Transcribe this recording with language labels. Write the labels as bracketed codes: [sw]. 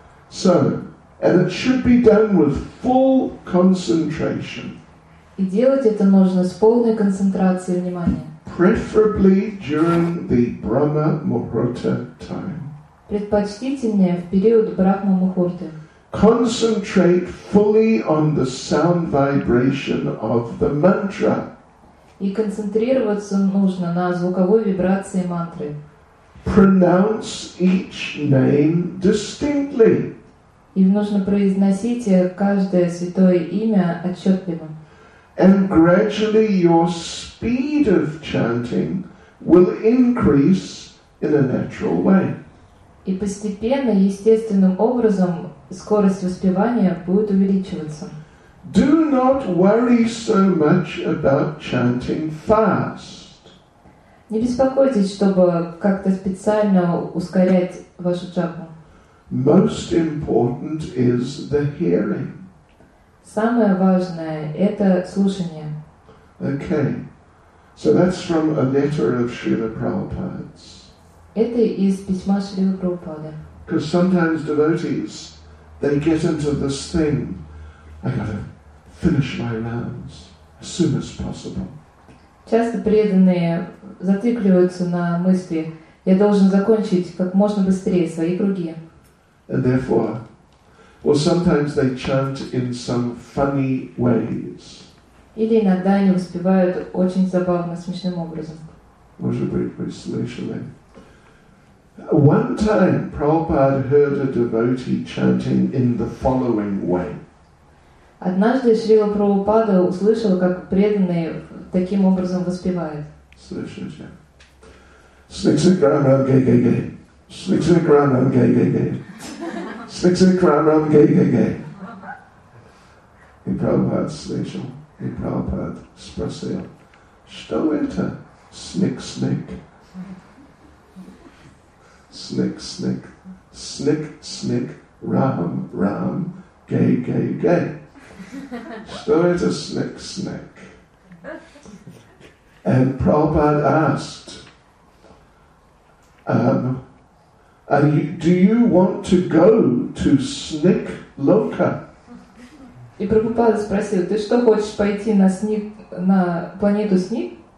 [en] So, and it should be done with full concentration. [ru] И делать это нужно с полной концентрацией внимания. [en] Preferably during the Brahma Muhurta time. [ru] Предпочтительнее в период Брахма Мухурты. [en] Concentrate fully on the sound vibration of the mantra. [ru] И концентрироваться нужно на звуковой вибрации мантры. [en] Pronounce each name distinctly. [ru] И нужно произносить каждое святое имя отчетливо. [en] And gradually your speed of chanting will increase in a natural way. [ru] И постепенно, естественным образом, скорость воспевания будет увеличиваться. [en] Do not worry so much about chanting fast. [ru] Не беспокойтесь, чтобы как-то специально ускорять вашу джапу. [en] Most important is the hearing. [ru] Самое важное – это слушание. [en] Okay. So that's from a letter of Srila Prabhupada's. [ru] Это из письма Шри Прабхупады. [en] Because sometimes devotees, they get into this thing, I gotta finish my rounds as soon as possible. [ru] Часто преданные зацикливаются на мысли, я должен закончить как можно быстрее свои круги. [en] And therefore, or sometimes they chant in some funny ways. [ru] Или иногда они воспевают очень забавно, смешным образом. Может быть, вы слышали. [en] One time, Prabhupada heard a devotee chanting in the following way. [ru] Однажды Шрила Прабхупада услышал, как преданные таким образом воспевают. Слышите? Сиксикранам гей гей гей. Сиксикранам гей гей гей. Сиксикранам гей гей гей. И Прабхупада слышал. И Прабхупада спросил. Что это? Снык-снык. Snick, snick, snick, snick, ram, ram, gay, gay, gay. Что это snick, snick? [en] And Prabhupada asked, do you want to go to snick loka? [ru] И Прабхупада спросил, ты что хочешь пойти на снег, на планету снег?